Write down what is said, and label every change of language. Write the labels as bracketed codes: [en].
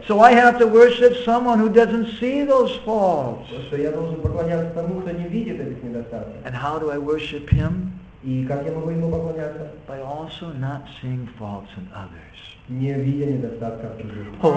[en] So I have to worship someone who doesn't see those faults. [ru] Что я должен поклоняться тому, кто не видит этих недостатков. [en] And how do I worship him? [ru] И как я могу ему поклоняться? [en] By also not seeing faults in others. [ru] Не видя недостатков других.